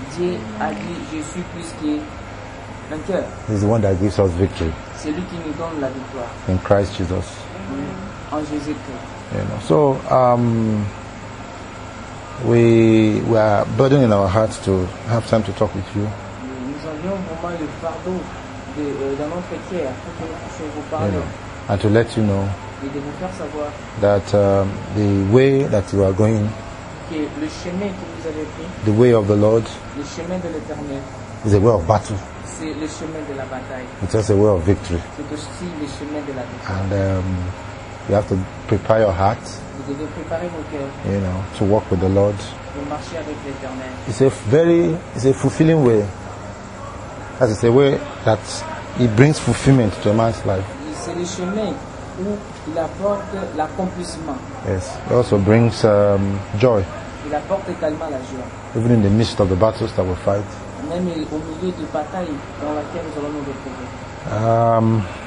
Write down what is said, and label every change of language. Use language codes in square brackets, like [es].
[en] He's the one that gives us victory. [fr] C'est lui qui nous donne la victoire. [en] In Christ Jesus. [fr] Mm-hmm. En Jésus-Christ. [en] You know, so we are burdened in our hearts to have time to talk with you. [fr] Nous avions vraiment le fardeau dans notre cœur pour vous parler. [en] You know, and to let you know. [fr] Et de vous faire savoir. [en] That the way that you are going. [fr] Que le chemin que vous avez pris. [en] The way of the Lord. [fr] Le chemin de l'Éternel. [en] Is a way of battle. [fr] C'est le chemin de la bataille. [en] It's just a way of victory. [fr] C'est aussi le chemin de la victoire. [en] And You have to prepare your heart. [fr] Vous devez préparer vos cœurs. [en] You know, to walk with the Lord. [fr] Pour marcher avec l'Éternel. [en] It's a fulfilling way. As it's a way that it brings fulfillment to a man's life. [fr] C'est le chemin où il apporte l'accomplissement. [en] Yes, it also brings joy. [fr] Il apporte également la joie. [en] Even in the midst of the battles that we fight. [fr] Même au milieu de batailles dans lesquelles nous allons nous retrouver.